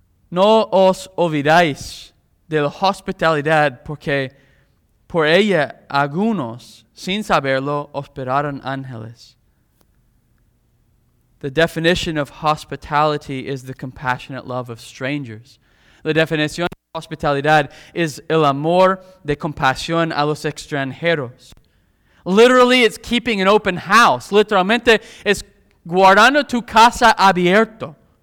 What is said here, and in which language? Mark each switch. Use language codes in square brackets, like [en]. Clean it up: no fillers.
[es] No os olvidáis de la hospitalidad, porque por ella algunos, sin saberlo, hospedaron ángeles. [en] The definition of hospitality is the compassionate love of strangers. [es] La definición de hospitalidad es el amor de compasión a los extranjeros. [en] Literally, it's keeping an open house. [es] Literalmente, es guardando tu casa abierto.